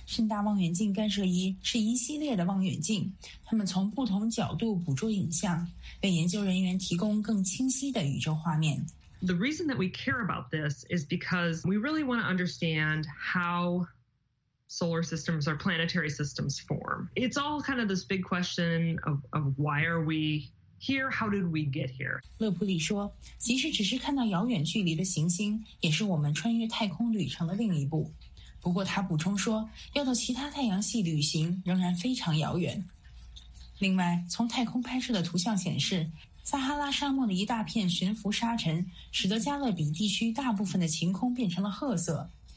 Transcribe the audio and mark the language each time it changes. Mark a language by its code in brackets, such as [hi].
[zh] 甚大望远镜干涉仪是一系列的望远镜，它们从不同角度捕捉影像，为研究人员提供更清晰的宇宙画面。 [en] The reason that we care about this is because we really want to understand how solar systems or planetary systems form. It's all kind of this big question of why are we here? How did we get here? [zh] 勒普里说，即使只是看到遥远距离的行星，也是我们穿越太空旅程的另一步。不过他补充说，要到其他太阳系旅行仍然非常遥远。另外，从太空拍摄的图像显示，撒哈拉沙漠的一大片悬浮沙尘使得加勒比地区大部分的晴空变成了褐色。